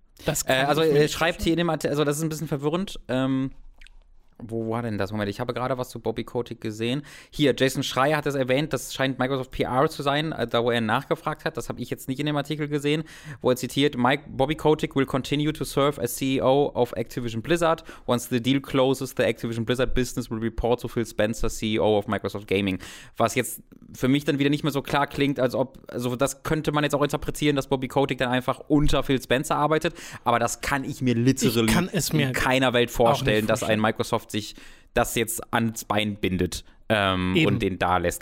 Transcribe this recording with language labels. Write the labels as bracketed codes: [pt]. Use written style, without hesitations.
[de] Das also er schreibt hier in dem Artikel, also das ist ein bisschen verwirrend. Wo war denn das? Moment, ich habe gerade was zu Bobby Kotick gesehen. Hier, Jason Schreier hat das erwähnt, das scheint Microsoft PR zu sein, da wo er nachgefragt hat, das habe ich jetzt nicht in dem Artikel gesehen, wo er zitiert, Bobby Kotick [en] will continue to serve as CEO of Activision Blizzard. Once the deal closes, the Activision Blizzard business will report to Phil Spencer, CEO of Microsoft Gaming. [de] Was jetzt für mich dann wieder nicht mehr so klar klingt, als ob, also das könnte man jetzt auch interpretieren, dass Bobby Kotick dann einfach unter Phil Spencer arbeitet, aber das kann ich mir literally in keiner Welt vorstellen, dass ein Microsoft sich das jetzt ans Bein bindet und den da lässt.